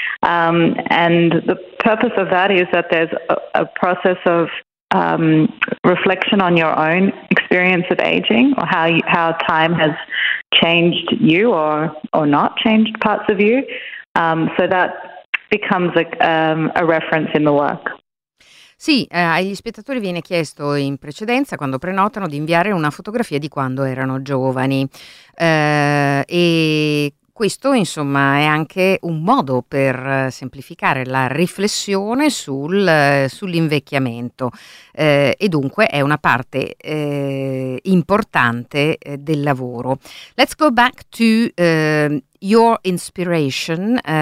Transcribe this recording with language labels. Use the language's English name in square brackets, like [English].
[English] And the purpose of that is that there's a process of reflection on your own experience of aging, or how time has changed you or not changed parts of you. So that becomes a reference in the work. [Italian] Sì, agli spettatori viene chiesto in precedenza, quando prenotano, di inviare una fotografia di quando erano giovani. E questo, insomma, è anche un modo per semplificare la riflessione sull'invecchiamento. E dunque è una parte importante del lavoro. [English] Let's go back to your inspiration.